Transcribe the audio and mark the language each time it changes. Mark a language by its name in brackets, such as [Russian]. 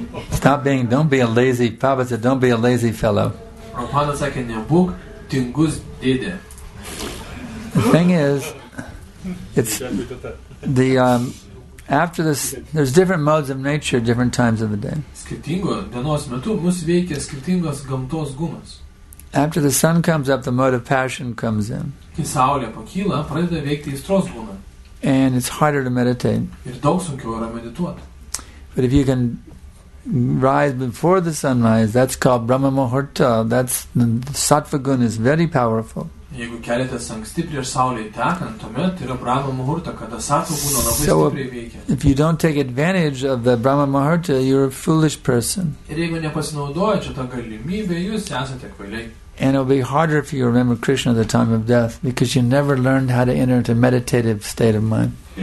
[English] Stop being, don't be a lazy, Prabhupada said, don't be a lazy fellow. [Lithuanian] Prabhupada sakė, nebūk tingus dėdė. [English] The thing is, it's the, after this, there's different modes of nature at different times of the day. [Lithuanian] Skirtingo dienos metu mus veikia skirtingos gamtos gumas. [English] After the sun comes up, the mode of passion comes in. [Lithuanian] Kai saulė pakyla, pradeda veikti aistros gumą. [English] And it's harder to meditate. [Lithuanian] Ir daug sunkiau yra medituoti. [English] But if you can rise before the sunrise, that's called Brahma Muhurta. That's the sattva gun is very powerful. [Lithuanian] Jeigu keletas anksti prieš saulė tekant, tuomet yra Brahma Muhurta, kada sattva guna labai stipriai veikia. [English] If you don't take advantage of the Brahma Muhurta, you're a foolish person. [Lithuanian] Ir jeigu nepasinaudojat šitą galimybę, jūs esate kvailiai. [English] And it'll be harder if you remember Krishna at the time of death because you never learned how to enter into a meditative state of mind.